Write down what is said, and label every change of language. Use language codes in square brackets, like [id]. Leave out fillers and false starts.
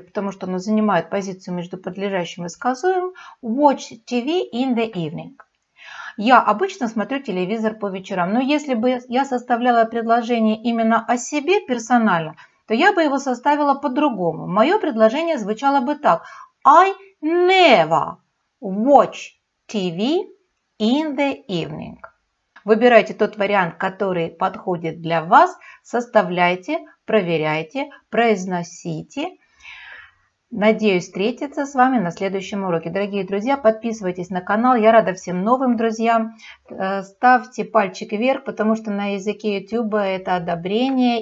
[ru] Потому что оно занимает позицию между подлежащим и сказуемым. [en] Watch TV in the evening. [ru] Я обычно смотрю телевизор по вечерам. Но если бы я составляла предложение именно о себе персонально, то я бы его составила по-другому. Мое предложение звучало бы так. [en] I never watch TV in the evening. [ru] Выбирайте тот вариант, который подходит для вас. Составляйте, проверяйте, произносите. Надеюсь встретиться с вами на следующем уроке. Дорогие друзья, подписывайтесь на канал. Я рада всем новым друзьям. Ставьте пальчик вверх, потому что на языке YouTube это одобрение.